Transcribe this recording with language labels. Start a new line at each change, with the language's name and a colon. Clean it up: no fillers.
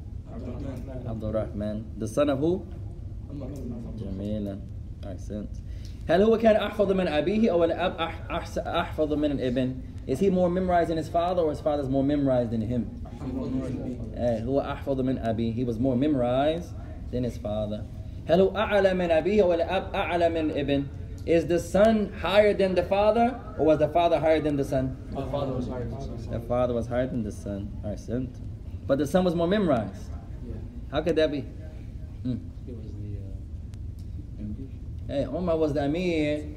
English: عبد الرحمن the son of who جميلا accent
Arabic: هل هو كان احفظ من ابيه او الاب احفظ من الابن
English: is he more memorized than his father or his father's more memorized than him
Arabic: هو احفظ من ابيه
English: he was more memorized than his father.
Arabic: هل أعلى من أبيه والأب أعلى من ابن?
English: Is the son higher than the father? Or was the father higher than the son? The father was higher than the son. I sent. But the son was more memorized. Yeah. How could that be? It was the Emir. Hey, Umar was the Emir.